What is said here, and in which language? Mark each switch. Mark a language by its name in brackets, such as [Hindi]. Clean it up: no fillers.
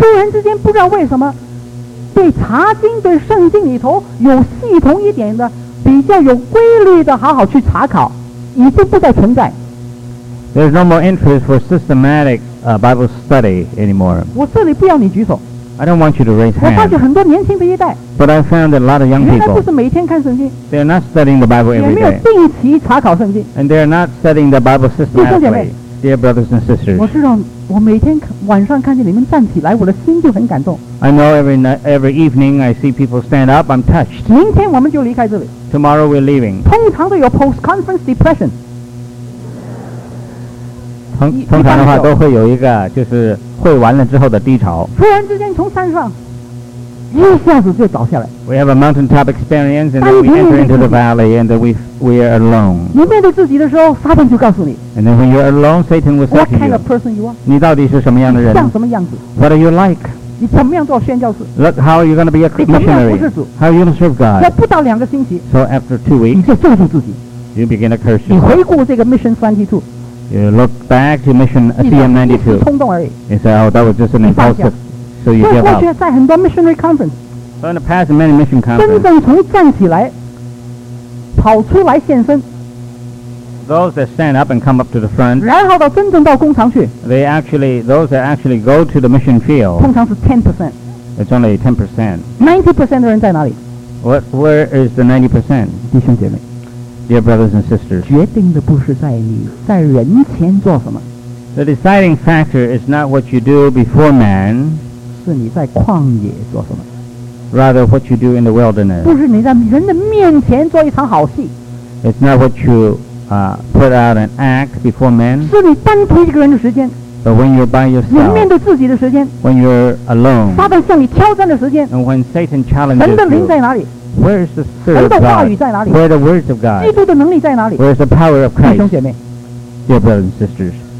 [Chinese] 突然之间不知道为什么对查经对圣经里头有系统一点的比较有规律的好好去查考已经不再存在 [English] there's no more interest for systematicBible study anymore. [Chinese] 我这里不要你举手。 [English] I don't want you to raise hands. [Chinese] 我发现很多年轻的一代。 [English] But I found that a lot of young people. [Chinese] 原来不是每天看圣经。 [English] They are not studying the Bible every day. [Chinese] 也没有定期查考圣经。 [English] And they are not studying the Bible systematically. [Chinese] 弟兄姐妹。 [English] Dear brothers and sisters. [Chinese] 我知道，我每天晚上看见你们站起来，我的心就很感动。 [English] I know every evening I see people stand up, I'm touched. [Chinese] 明天我们就离开这里。 [English] Tomorrow we're leaving. [Chinese] 通常都有 [English] post-conference depression. [Chinese] 通常的话都会有一个就是会完了之后的低潮突然之间从山上一下子就倒下来 [English] We have a mountaintop experience and then we enter into the valley and then we are alone [Chinese] 你面对自己的时候撒旦就告诉你 [English] And then when you are alone Satan will say to you What kind of person you are [Chinese] 你到底是什么样的人像什么样子 [English] What are you like [Chinese] 你怎么样做宣教士 [English] Look how you're going to be a missionary How are you going to serve God [Chinese] 在不到两个星期 [English] So after 2 weeks [Chinese] 你就咒诅自己 [English] You begin to curse yourself [Chinese] 你回顾这个 Mission 32 [English] You look back to mission CM92. [Chinese] 冲动而已。 [English] You say, oh, that was just an impulsive. So you give up. [Chinese] 过去在很多 [English] missionary conference. So in the past, many mission conference. [Chinese] 真正从站起来，跑出来现身。 [English] Those that stand up and come up to the front. [Chinese] 然后到真正到工厂去。 [English] Those that actually go to the mission field. [Chinese] 通常是10%。 [English] It's only 10%. [Chinese] 90% 的人在哪里？ [English] Where is the 90%? [Chinese] 弟兄姐妹。 [English] Dear brothers and sisters, [Chinese] 决定的不是在你在人前做什么。 [English] The deciding factor is not what you do before man, [Chinese] 是你在旷野做什么。 [English] Rather, what you do in the wilderness. [Chinese] 不是你在人的面前做一场好戏。 [English] It's not what you put out an act before man. [Chinese] 是你单独一个人的时间。 [English] But when you're by yourself, [Chinese] 你面对自己的时间。 [English] When you're alone, [Chinese] 撒旦向你挑战的时间。 [English] And when Satan challenges you, [Chinese] 神的灵在哪里？ [English] Where is the Spirit of God? Where are the words of God? [Chinese] 基督的能力在哪里? [English] Where is the power of Christ? [Chinese] 弟兄姐妹, [English] Dear brothers and sisters,